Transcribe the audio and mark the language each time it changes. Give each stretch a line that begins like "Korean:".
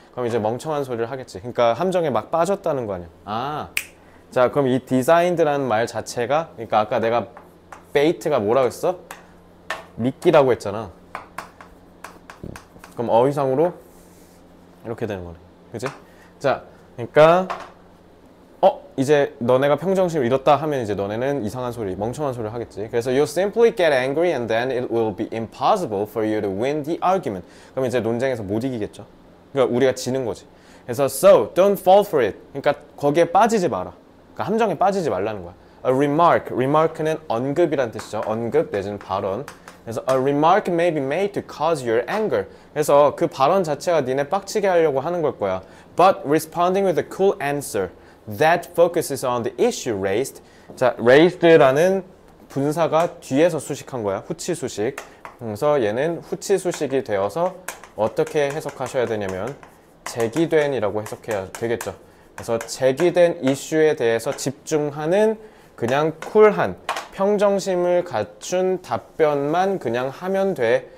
Korean: 그럼 이제 멍청한 소리를 하겠지. 그러니까 함정에 막 빠졌다는 거 아니야. 아, 자, 그럼 이 designed라는 말 자체가, 그러니까 아까 내가 bait가 뭐라고 했어? 미끼라고 했잖아. 그럼 어휘상으로 이렇게 되는 거네. 그치? 자, 그러니까 이제 너네가 평정심을 잃었다 하면 이제 너네는 이상한 소리, 멍청한 소리를 하겠지. 그래서
English: you simply get angry and then it will be impossible for you to win the argument.
Korean: 그럼 이제 논쟁에서 못 이기겠죠. 그러니까 우리가 지는 거지. 그래서
English: so don't fall for it.
Korean: 그러니까 거기에 빠지지 마라. 그러니까 함정에 빠지지 말라는 거야. A remark. remark는 언급이란 뜻이죠. 언급 내지는 발언. 그래서
English: a remark may be made to cause your anger.
Korean: 그래서 그 발언 자체가 니네 빡치게 하려고 하는 걸 거야.
English: But responding with a cool answer that focuses on the issue raised.
Korean: 자, raised라는 분사가 뒤에서 수식한 거야. 후치 수식. 그래서 얘는 후치 수식이 되어서 어떻게 해석하셔야 되냐면 제기된이라고 해석해야 되겠죠. 그래서 제기된 이슈에 대해서 집중하는 그냥 쿨한 평정심을 갖춘 답변만 그냥 하면 돼.